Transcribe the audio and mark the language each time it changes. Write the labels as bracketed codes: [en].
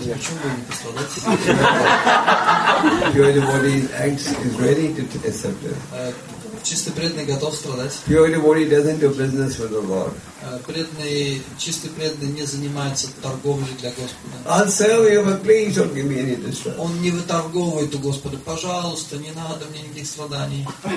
[ru] Почему бы не пострадать? Чистый преданный готов страдать. [en] Pure devotee doesn't do business with the Lord. [ru] Чистый преданный не занимается торговлей для Господа. [en] I'll sell you, but please don't give me any distress. [ru] Он не выторговывает у Господа: пожалуйста, не надо мне никаких страданий.